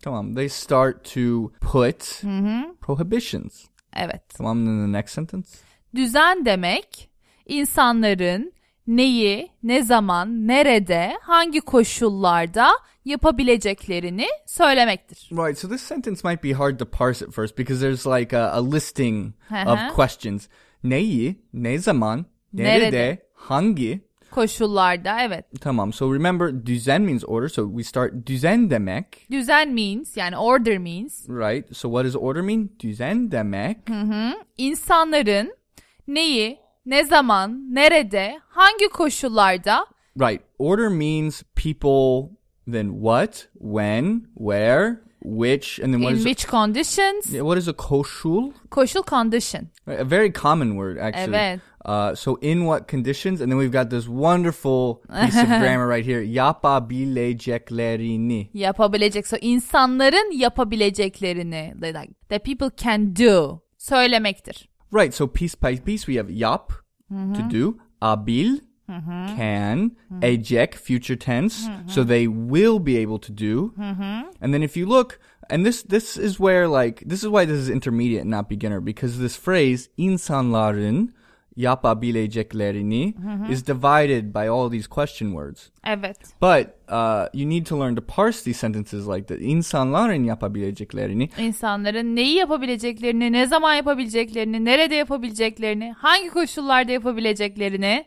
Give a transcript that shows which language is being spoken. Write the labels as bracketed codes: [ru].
[tr] Tamam. [en] They start to put prohibitions. [tr] Evet. Tamam. [en] In the next sentence. [tr] Düzen demek insanların neyi, ne zaman, nerede, hangi koşullarda yapabileceklerini söylemektir. [en] Right, so this sentence might be hard to parse at first because there's like a listing of questions. [tr] Neyi, ne zaman, nerede, hangi koşullarda, evet. Tamam, [en] so remember, düzen means order, so we start [tr] düzen demek. [en] Düzen means, yani order means. Right, so what does order mean? [tr] Düzen demek. İnsanların neyi, ne zaman, nerede, hangi koşullarda. [en] Right, order means people, then what, when, where, which, and then what in is which conditions? Yeah, what is a koşul? [tr] Koşul condition. [en] A very common word, actually. [tr] Evet. [en] So in what conditions? And then we've got this wonderful piece of grammar right here. [tr] Yapabileceklerini. [en] Yapabilecek. So [tr] insanların yapabileceklerini, [en] like that people can do, [tr] söylemektir. [en] Right. So piece by piece, we have yap to do, abil can, ejek future tense, so they will be able to do. And then if you look, and this is where, like, this is why this is intermediate and not beginner, because this phrase [tr] insanların yapabileceklerini [en] is divided by all these question words. [tr] Evet. [en] But you need to learn to parse these sentences like that. [tr] İnsanların yapabileceklerini. İnsanların neyi yapabileceklerini, ne zaman yapabileceklerini, nerede yapabileceklerini, hangi koşullarda yapabileceklerini.